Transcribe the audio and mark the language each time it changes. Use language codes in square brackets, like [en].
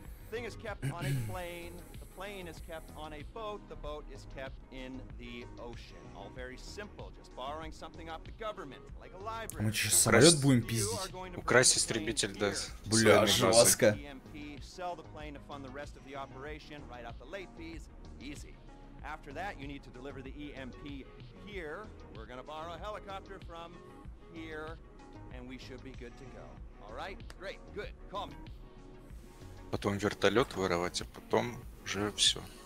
[en] Thing is kept on a plane, the plane is kept on a boat, the boat is kept in the ocean. All very simple, just borrowing something off the government, like a library. [ru] Мы чё, самолёт будем пиздить? Украсть истребитель, да. Бля, жёстко. [en] EMP, sell the plane to fund the rest of the operation, write out the late fees, easy. After that, you need to deliver the EMP here, we're gonna borrow a helicopter from here, and we should be good to go. All right? Great, good, call me. [ru] Потом вертолет воровать, а потом уже все.